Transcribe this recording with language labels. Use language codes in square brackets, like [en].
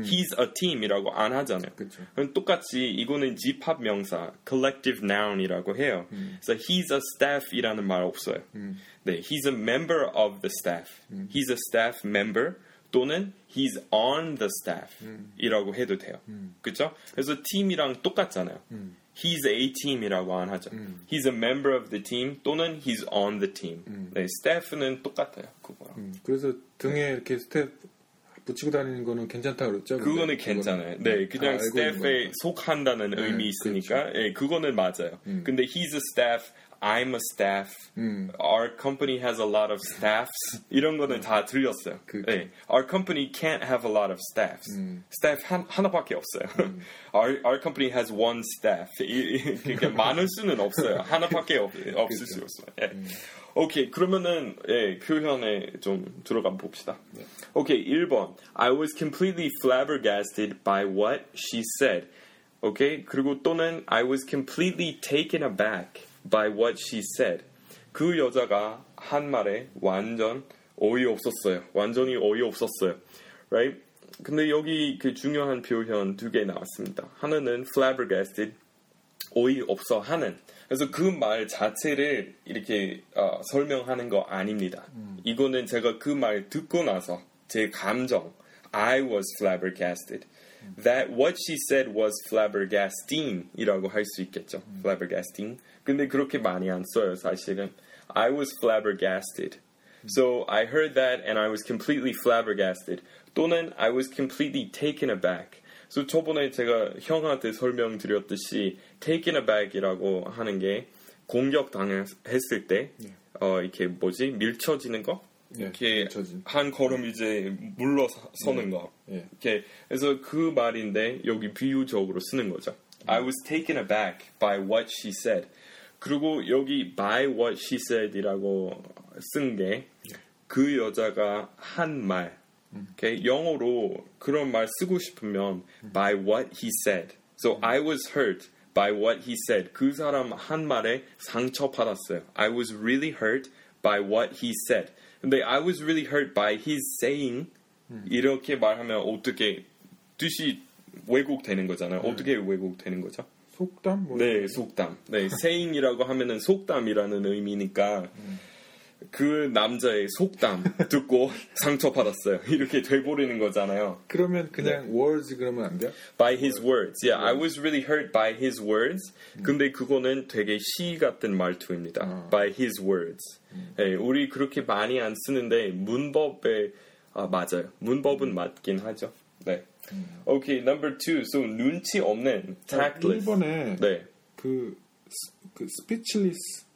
[en] He's a team [ko] 이라고 안 하잖아요. 그럼 똑같이 이거는 집합명사 collective noun이라고 해요. [en] So he's a staff이라는 [ko] 말 없어요. 네, [en] he's a member of the staff. He's a staff member. [ko] 또는 [en] he's on the staff [ko] 이라고 해도 돼요. 그쵸? 그래서 팀이랑 똑같잖아요. [en] He's a team [ko] 이라고 안 하죠. [en] He's a member of the team 또는 he's on the team. [ko] 네, staff는 똑같아요. 그거랑. 그래서 등에 이렇게 staff 붙이고 다니는 거는 괜찮다고 그랬죠? 그거는 괜찮아요. 네, 그냥 staff에 속한다는 의미 있으니까 그렇죠. 네, 그거는 맞아요. 근데 [en] he's a staff, I'm a staff, our company has a lot of staffs [ko] 이런 거는 다 틀렸어요. [en] 네, our company can't have a lot of staffs. Staff [ko] 하나밖에 없어요. [en] our company has one staff. [ko] 그러니까 많을 수는 없어요. 하나밖에 없을 수 없어요. 네. 오케이, 그러면은 예, 표현에 좀 들어가 봅시다. 네. 오케이, 1번. [en] I was completely flabbergasted by what she said. [ko] 오케이, 그리고 또는 [en] I was completely taken aback by what she said. [ko] 그 여자가 한 말에 완전 어이없었어요. 완전히 어이없었어요. Right? 근데 여기 그 중요한 표현 두 개 나왔습니다. 하나는 flabbergasted, 어이없어하는. 그래서 그 말 자체를 이렇게 설명하는 거 아닙니다. 이거는 제가 그 말 듣고 나서 제 감정 [en] I was flabbergasted. That what she said was flabbergasting [ko] 이라고 할 수 있겠죠. [en] Flabbergasting. [ko] 근데 그렇게 많이 안 써요 사실은. [en] I was flabbergasted. So I heard that and I was completely flabbergasted. [ko] 또는 [en] I was completely taken aback. So [ko] 저번에 제가 형한테 설명드렸듯이 taken aback이라고 하는 게 공격당했을 때 이렇게 뭐지? 밀쳐지는 거? 이렇게 한 걸음 이제 물러서는 거. 이렇게 그래서 그 말인데 여기 비유적으로 쓰는 거죠. [en] I was taken aback by what she said. [ko] 그리고 여기 by what she said이라고 쓴 게 그 여자가 한 말. Okay, 영어로 그런 말 쓰고 싶으면 [en] by what he said. So I was hurt by what he said. [ko] 그 사람 한 말에 상처 받았어요. [en] I was really hurt by what he said. 근데 I was really hurt by his saying. [ko] 이렇게 말하면 어떻게 뜻이 왜곡되는 거잖아요. 어떻게 왜곡되는 거죠? 속담? 네, 속담. 네, saying이라고 하면은 속담이라는 의미니까 그 남자의 속담 듣고 상처받았어요. 이렇게 돼버리는 거잖아요. 그러면 그냥 네. words 그러면 안 돼요? [en] By his words. Yeah, I was really hurt by his words. [ko] 근데 그거는 되게 시 같은 말투입니다. [en] By his words. [ko] 네, 우리 그렇게 많이 안 쓰는데 문법에 맞아요. 문법은 맞긴 하죠. 네. [en] Okay, number two. [ko] So 눈치 없는 tactless. 1번에 네. 그 speechless.